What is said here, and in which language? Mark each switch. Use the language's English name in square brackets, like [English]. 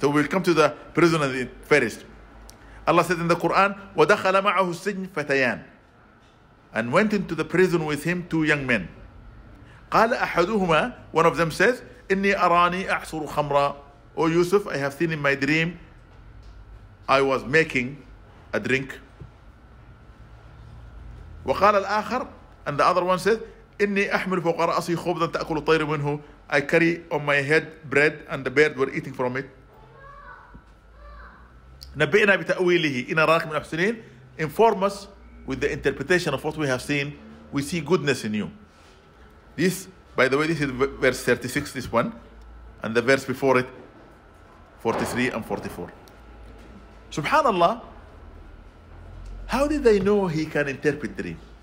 [English] So we'll come to the prisoners first. Allah said in the Quran, [Arabic] وَدَخَلَ مَعَهُ السِّجْنِ فَتَيَانِ. [English] And went into the prison with him 2 young men. [Arabic] قَالَ أَحَدُهُمَا, [English] one of them says, [Arabic] إني أراني أحصر خمرا. [English] O Yusuf, I have seen in my dream, I was making a drink. [Arabic] وقال الآخر, [English] and the other one said, [Arabic] إني أحمل فوق رأسي خبزا تأكل الطير منه. [English] I carry on my head bread and the bird were eating from it. [Arabic] نبئنا بتأويله إن أراك من أحسنين. [English] Inform us with the interpretation of what we have seen. We see goodness in you. This, by the way, this is verse 36, this one. And the verse before it, 43 and 44. Subhanallah, how did they know he can interpret dream?